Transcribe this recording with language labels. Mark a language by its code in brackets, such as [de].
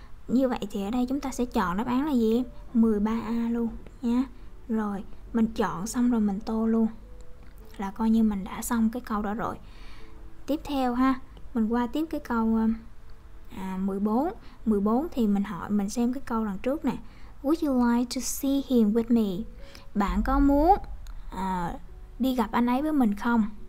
[vi] Như vậy thì ở đây chúng ta sẽ chọn đáp án là gì em? 13A luôn nha. Rồi, mình chọn xong rồi mình tô luôn, là coi như mình đã xong cái câu đó rồi. Tiếp theo ha, mình qua tiếp cái câu 14. 14 thì mình hỏi, mình xem cái câu đằng trước nè. [en] Would you like to see him with me? [vi] Bạn có muốn đi gặp anh ấy với mình không?